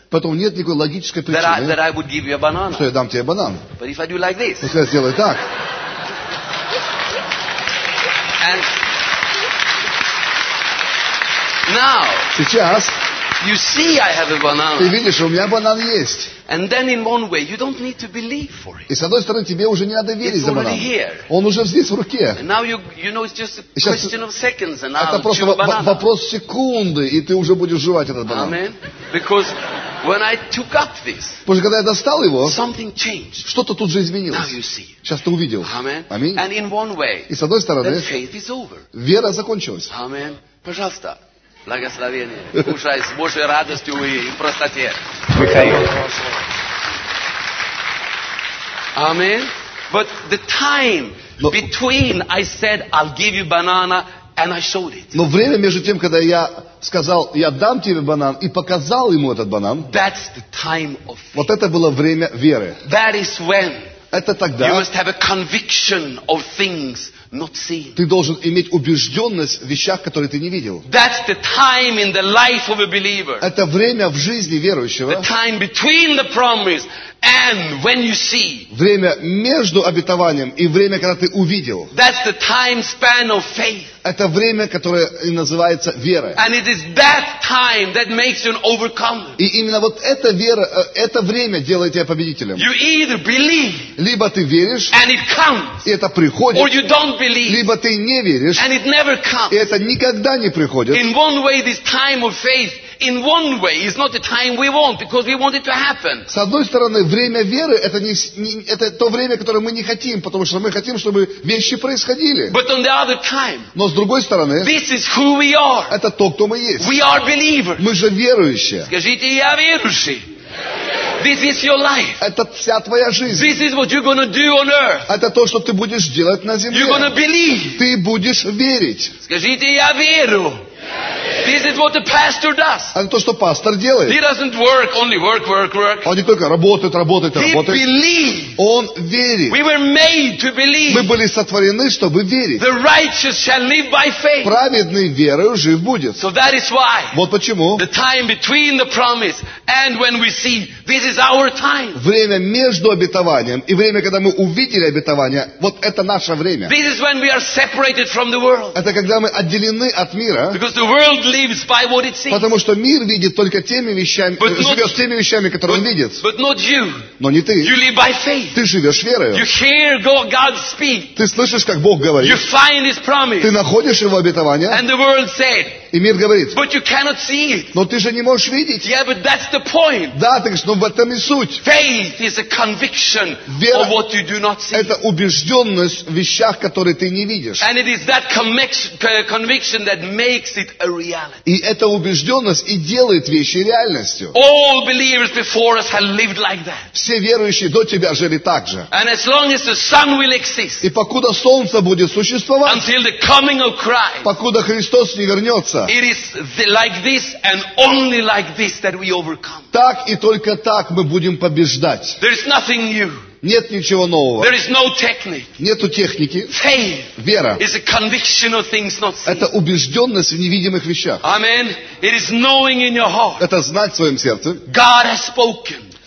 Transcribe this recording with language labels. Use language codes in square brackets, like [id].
[ru] Поэтому нет никакой логической причины. [en] That I would give you a banana. [ru] Что я дам тебе банан. [en] But if I do like this. [ru] Если я сделаю так. [en] And now. [ru] Сейчас. [en] You see, I have a banana. [ru] Ты видишь, у меня банан есть. [en] And then in one way, you don't need to believe for it. [ru] И с одной стороны, тебе уже не надо верить за банан. [en] It's already here. [ru] Он уже здесь в руке. [en] And now you know it's just a question of seconds, and I'll chew a banana. [ru] Это просто вопрос секунды, и ты уже будешь жевать этот банан. [en] Amen. Because When I took up this, [ru] потому что когда я достал его, [en] something changed. [ru] Что-то тут же изменилось. [en] Now you see. [ru] Сейчас ты увидел. [en] Amen. [ru] Аминь. [en] And in one way, [ru] и с одной стороны, [en] the faith is over. [ru] Вера закончилась. [en] Amen. [ru] Пожалуйста, благословение. Кушай с Божьей радостью и простоте. Михаил. [en] Amen. But the time between I said I'll give you banana and I showed it. [ru] Но время между тем, когда я сказал, я дам тебе банан, и показал ему этот банан. [en] That's the time of faith. [ru] Вот это было время веры. [en] That is when. [ru] Это тогда. [en] You must have a conviction of things not seen. [ru] Ты должен иметь убежденность в вещах, которые ты не видел. [en] That's the time in the life of a believer. [ru] Это время в жизни верующего. [en] The time between the promise and when you see. [ru] Время между обетованием и время, когда ты увидел. [en] That's the time span of faith. [ru] Это время, которое и называется верой. [en] And it is that time that makes you an overcomer. [ru] И именно вот эта вера, это время делает тебя победителем. [en] You either believe. [ru] Либо ты веришь. [en] And it comes. [ru] И это приходит. [en] Or you don't believe. [ru] Либо ты не веришь. [en] And it never comes. [ru] И это никогда не приходит. [en] In one way, this time of faith, in one way, is not the time we want because we want it to happen. [ru] С одной стороны, время веры это не, не это то время, которое мы не хотим, потому что мы хотим, чтобы вещи происходили. [en] But on the other time. [ru] Но с другой стороны, [en] this is who we are. [ru] Это то, кто мы есть. [en] We are believers. [ru] Мы же верующие. Скажите, я верующий. [en] This is your life. [ru] Это вся твоя жизнь. [en] This is what you're gonna do on earth. [ru] Это то, что ты будешь делать на земле. [en] You're gonna believe. [ru] Ты будешь верить. Скажите, я верю. [en] This is what the pastor does. [ru] Это то, что пастор делает. [en] He doesn't work, only work, work, work. [ru] Он не только работает, работает, работает. [en] He believes. [ru] Он верит. [en] We were made to believe. [ru] Мы были сотворены, чтобы верить. [en] The righteous shall live by faith. [ru] Праведный верою жив будет. [en] So that is why. [ru] Вот почему. [en] The time between the promise and when we see, this is our time. [ru] Время между обетованием и время, когда мы увидели обетование, вот это наше время. [en] This is when we are separated from the world. [ru] Это когда мы отделены от мира. [en] Because the world lives by what it sees. [ru] Потому что мир видит только теми вещами, живет теми вещами, которые он видит. [en] But not you. [ru] Но не ты. [en] You live by faith. [ru] Ты живешь верою. [en] You hear God speak. [ru] Ты слышишь, как Бог говорит. [en] You find his promise. [ru] Ты находишь его обетование. [en] And the world said. [ru] И мир говорит. [en] But you cannot see it. [ru] Но ты же не можешь видеть. [en] Yeah, but that's the point. [ru] Да, ты говоришь, но в этом и суть. [en] Faith is a conviction of what you do not see. [ru] Это убежденность в вещах, которые ты не видишь. [en] And it is that conviction that makes it a reality. [ru] И эта убежденность и делает вещи реальностью. [en] All believers before us have lived like that. [ru] Все верующие до тебя жили так же. [en] And as long as the sun will exist. [ru] И покуда солнце будет существовать. [en] Until the coming of Christ. [ru] Покуда Христос не вернется. [en] It is like this and only like this that we overcome. [ru] Так и только так мы будем побеждать. [en] There is nothing new. [ru] Нет ничего нового. [en] There is no technique. [ru] Нету техники. [en] Faith. [ru] Вера. [en] Is a conviction of things not seen. [ru] Это убежденность в невидимых вещах. [en] Amen. It is knowing in your heart. [ru] Это знать в своем сердце. [en] God has spoken.